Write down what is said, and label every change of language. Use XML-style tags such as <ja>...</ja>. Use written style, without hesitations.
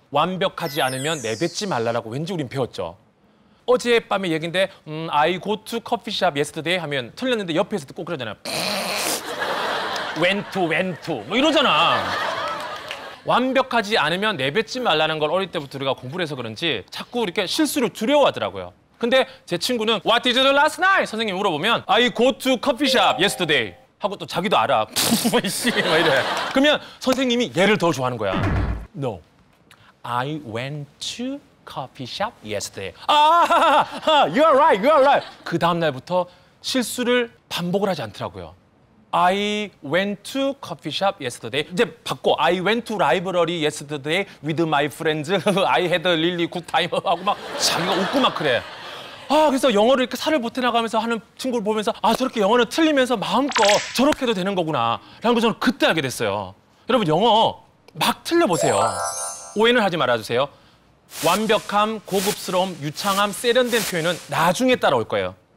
<ko>완벽하지 않으면 내뱉지 말라라고 왠지 우린 배웠죠. 어제 밤의 얘긴데</ko> <en>I go to coffee shop yesterday</en> <ko>하면 틀렸는데 옆에서도 꼭 그러잖아요.</ko> <en>went to</en> <ko>뭐 이러잖아. 완벽하지 않으면 내뱉지 말라는 걸 어릴 때부터 우리가 공부를 해서 그런지 자꾸 이렇게 실수를 두려워하더라고요. 근데 제 친구는</ko> <en>What did you do last night?</en> <ko>선생님이 물어보면</ko> <en>I go to coffee shop yesterday</en> <ko>하고 또 자기도 알아. 씨 뭐 이래. 그러면 선생님이 얘를 더 좋아하는 거야.</ko> <en>No, I went to coffee shop yesterday. 아, You are right.</en> <ko>그 다음날부터 실수를 반복을 하지 않더라고요.</ko> <en>I went to coffee shop yesterday.</en> <ko>이제 바꿔.</ko> <en>I went to library yesterday with my friends. I had a really good time.</en> <ko>하고 막 자기가 웃고 막 그래. 아, 그래서 영어를 이렇게 살을 보태나가면서 하는 친구를 보면서 아, 저렇게 영어는 틀리면서 마음껏 저렇게도 되는 거구나. 라는 걸 저는 그때 알게 됐어요. 여러분, 영어 막 틀려보세요. 오해는 하지 말아주세요. 완벽함, 고급스러움, 유창함, 세련된 표현은 나중에 따라올 거예요.</ko>